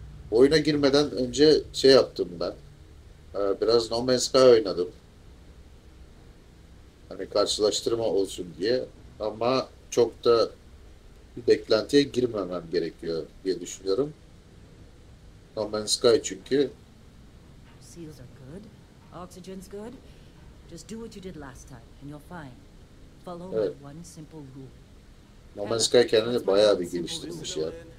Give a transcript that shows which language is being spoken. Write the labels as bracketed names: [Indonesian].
[Turkish] Oyuna girmeden önce şey yaptım ben, biraz No Man's Sky oynadım, hani karşılaştırma olsun diye, ama çok da bir beklentiye girmemem gerekiyor diye düşünüyorum. No Man's Sky çünkü... [English] Seals are good, oxygen's good, just do what you did last time and you're fine. Follow my one simple rule. [Turkish] No Man's Sky kendini bayağı bir geliştirmiş ya.